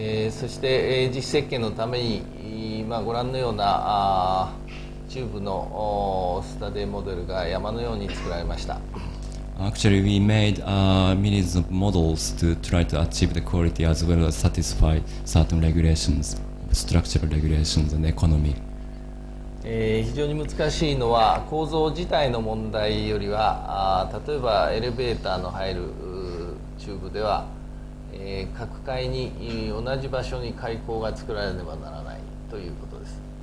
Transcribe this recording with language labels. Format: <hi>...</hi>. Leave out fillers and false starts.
<ja>そして、実設計のために、まあ、ご覧のようなチューブのスタデーモデルが山のように作られました。</ja> <en>Actually, we made millions of models to try to achieve the quality as well as satisfy certain regulations, structural regulations and economy.</en> <ja>非常に難しいのは構造自体の問題よりは、例えばエレベーターの入るチューブでは各階に同じ場所に開口が作られねばならないということです。</ja>